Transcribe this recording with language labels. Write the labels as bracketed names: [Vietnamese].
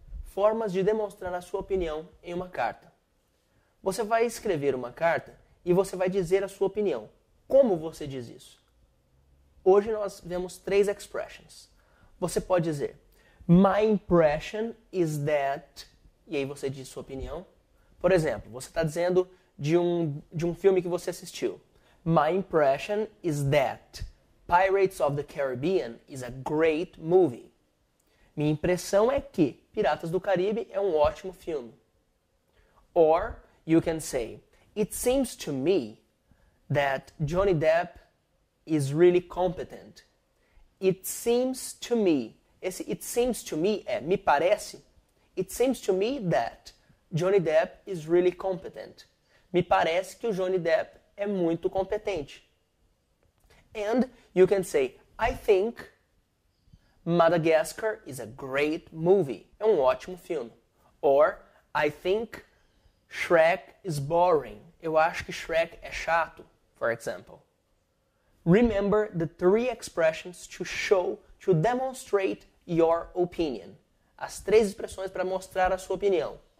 [Portuguese] Formas de demonstrar a sua opinião em uma carta. Você vai escrever uma carta e você vai dizer a sua opinião. Como você diz isso? Hoje nós vemos três expressions. Você pode dizer, [English] my impression is that... [Portuguese] E aí você diz sua opinião. Por exemplo, você está dizendo de um filme que você assistiu. [English] My impression is that Pirates of the Caribbean is a great movie. [Portuguese] Minha impressão é que Piratas do Caribe é um ótimo filme. [English] Or you can say, it seems to me that Johnny Depp is really competent. It seems to me, esse it seems to me [Portuguese] é me parece. [English] It seems to me that Johnny Depp is really competent. [Portuguese] Me parece que o Johnny Depp é muito competente. [English] And you can say, I think Madagascar is a great movie. [Portuguese] É um ótimo filme. [English] Or, I think Shrek is boring. [Portuguese] Eu acho que Shrek é chato, [English] for example. Remember the three expressions to show, to demonstrate your opinion. [Portuguese] As três expressões para mostrar a sua opinião.